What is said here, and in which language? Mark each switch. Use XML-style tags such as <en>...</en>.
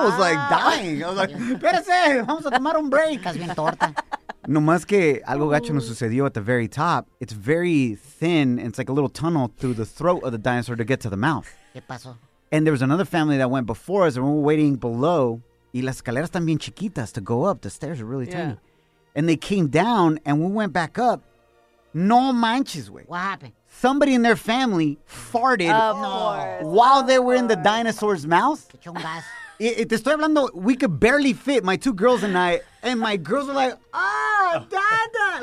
<en>I was, like, dying. I was like,</en> <es>espérese, vamos a tomar un</es> <en>break.</en> <es>Estás bien torta. No más que algo gacho nos sucedió</es> <en>at the very top. It's very thin, and it's like a little tunnel through the throat of the dinosaur to get to the mouth.</en> <es>¿Qué pasó?</es> <en>And there was another family that went before us, and we were waiting below.</en> <es>Y las escaleras están bien chiquitas</es> <en>to go up. The stairs are really tiny. And they came down, and we went back up.</en> <es>No manches, güey.</es> <en>What happened? Somebody in their family farted while they were in the dinosaur's mouth.</en> <es>Que chungas. Te estoy hablando,</es> <en>we could barely fit, my 2 girls and I, and my girls were like, dada.</en>